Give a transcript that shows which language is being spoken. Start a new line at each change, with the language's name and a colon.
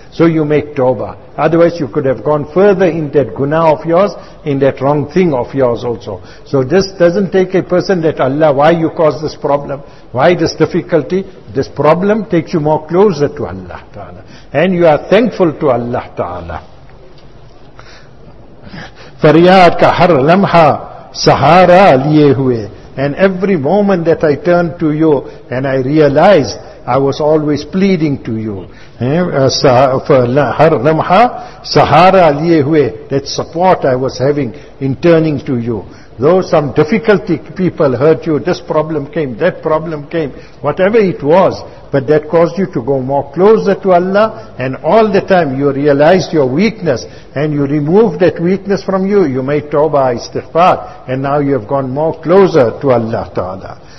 English: So you make tawbah. Otherwise you could have gone further in that guna of yours, in that wrong thing of yours also. So this doesn't take a person that Allah, why you cause this problem? Why this difficulty? This problem takes you more closer to Allah Ta'ala. And you are thankful to Allah Ta'ala.
Urdu: فریاد کا ہر لمحہ سہارا لیے ہوئے.
English: And every moment that I turned to you and I realized I was always pleading to you.
Urdu: ہر لمحہ سہارا لیے ہوئے,
English: that support I was having in turning to you. Though some difficulty people hurt you, this problem came, that problem came, whatever it was, but that caused you to go more closer to Allah, and all the time you realized your weakness, and you removed that weakness from you, you made tawbah, istighfar, and now you have gone more closer to Allah Ta'ala.